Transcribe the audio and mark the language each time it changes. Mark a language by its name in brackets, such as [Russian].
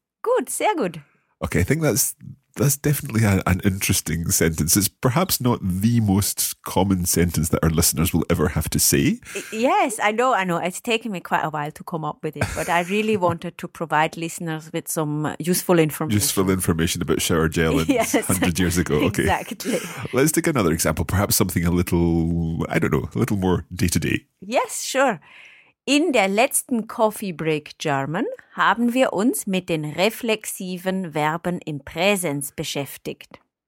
[German] Good, sehr gut. [English] Okay, I think that's definitely an interesting sentence. It's perhaps not the most common sentence that our listeners will ever have to say. Yes, I know, I know. It's taken me quite a while to come up with it, but I really wanted to provide listeners with some useful information. Useful information about shower gel and 100 years ago. Okay. Exactly. Let's take another example, perhaps something a little, I don't know, a little more day-to-day. Yes, sure. [German] In der letzten Coffee Break German haben wir uns mit den reflexiven Verben im Präsens beschäftigt.